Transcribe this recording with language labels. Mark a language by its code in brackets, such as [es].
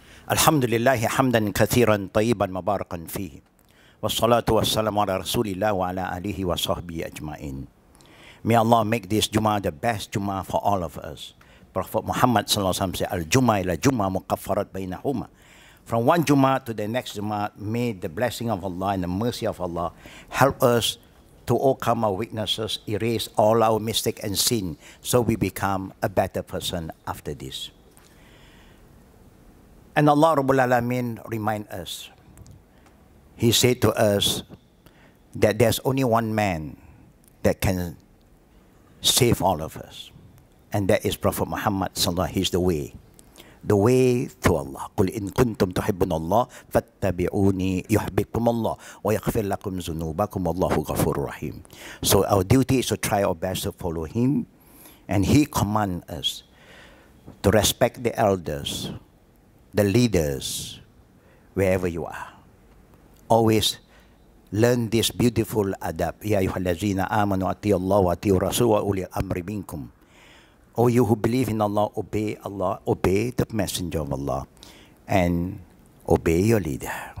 [ar] الحمد لله حمدا كثيرا طيبا مباركا فيه والصلاة والسلام على رسول الله وعلى آله وصحبه أجمعين. [en] May Allah make this Jumu'ah the best Jumu'ah for all of us. Prophet Muhammad sallallahu alaihi wasallam said, [ar] "Al-Jum'ah ila Jum'ah muqaffarat bainahuma." [en] From one Jum'ah to the next Jum'ah, may the blessing of Allah and the mercy of Allah help us to overcome our weaknesses, erase all our mistakes and sin, so we become a better person after this. And Allah Rabbul Alamin remind us. He said to us that there's only one man that can save all of us. And that is Prophet Muhammad sallallahu alaihi wasallam. He's the way to Allah. [ar] قُلْ إِن كُنْتُمْ تُحِبُّونَ اللَّهَ فَاتَّبِعُونِي يُحْبِبْكُمُ اللَّهُ وَيَغْفِرْ لَكُمْ ذُنُوبَكُمْ وَاللَّهُ غَفُورٌ رَحِيمٌ. [en] So our duty is to try our best to follow Him, and He commands us to respect the elders, the leaders, wherever you are. Always learn this beautiful adab. [ar] يا أيها الذين آمنوا أطيعوا الله وأطيعوا الرسول وأولي الأمر منكم. [en] O you who believe in Allah, obey Allah, obey the Messenger of Allah, and obey your leader.